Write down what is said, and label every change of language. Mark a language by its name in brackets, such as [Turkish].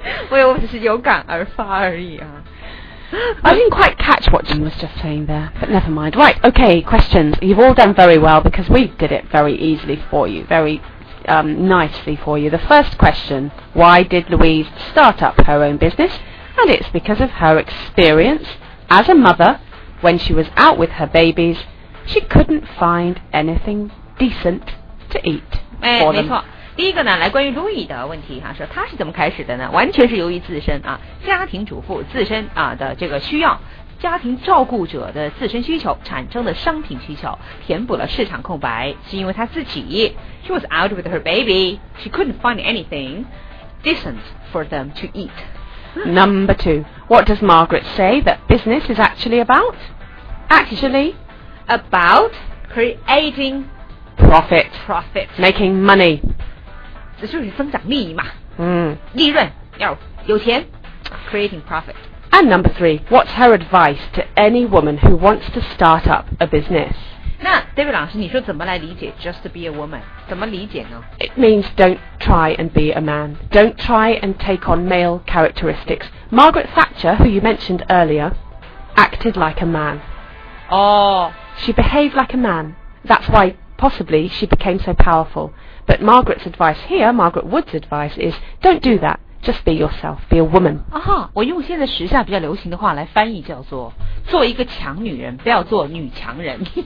[Chinese] 我只是有感而发而已啊。 [English] I didn't quite catch what Jim was just saying there, but never mind. Right, okay, questions. You've all done very well because we did it very easily for you, very, nicely for you. The first question, why did Louise start up her own business? And it's because of her experience as a mother when she was out with her babies, she couldn't find anything decent to eat for them. [Chinese] 第一个呢，来关于 Louis 的问题哈、啊，说他是怎么开始的呢？完全是由于自身啊，家庭主妇自身啊的这个需要，家庭照顾者的自身需求产生的商品需求，填补了市场空白。是因为他自己 [English] ，She was out with her baby, she couldn't find anything decent for them to eat. Number two, what does Margaret say that business is actually about? Actually, about creating profit, profit, making money. [Chinese] 这就是增长利益嘛，嗯，利润要有钱 ， [English] creating profit. And number three, what's her advice to any woman who wants to start up a business? [Chinese] 那 David 老师，你说怎么来理解 [English] just to be a woman? [Chinese] 怎么理解呢 [English] ？It means don't try and be a man. Don't try and take on male characteristics. Margaret Thatcher, who you mentioned earlier, acted like a man. Oh, she behaved like a man. That's why. Possibly she became so powerful. But Margaret's advice here, Margaret Wood's advice is, don't do that, just be yourself, be a woman. [Chinese] 啊哈，我用现在时下比较流行的话来翻译叫做，做一个强女人，不要做女强人。